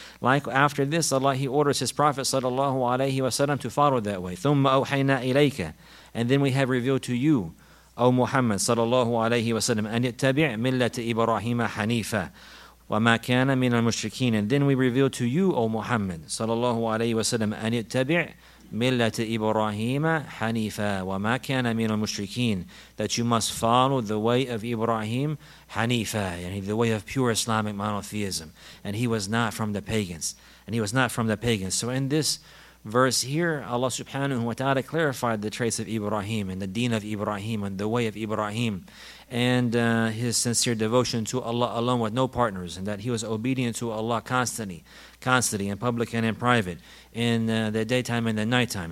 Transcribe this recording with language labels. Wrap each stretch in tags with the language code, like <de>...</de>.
<en>Like after this, Allah, He orders His Prophet sallallahu alayhi wasalam to follow that way.</en> <ar>Thumma awhayna ilayka.</ar> <en>And then we have revealed to you, O Muhammad sallallahu alayhi wasalam,</en> <ar>an ittabi' millata Ibrahim hanifa. وَمَا كَانَ مِنَ الْمُشْرِكِينَ.</ar> <en>And then we reveal to you, O Muhammad sallallahu alayhi wa sallam,</en> <ar>أَنِ اتَّبِعْ ملة إبراهيم حنيفا وما كان من المشركين.</ar> <en>That you must follow the way of Ibrahim حنيفا, يعني the way of pure Islamic monotheism. And he was not from the pagans. And he was not from the pagans. So in this verse here, Allah subhanahu wa ta'ala clarified the traits of Ibrahim and the deen of Ibrahim and the way of Ibrahim and his sincere devotion to Allah alone with no partners, and that he was obedient to Allah constantly in public and in private, in the daytime and the nighttime.</en>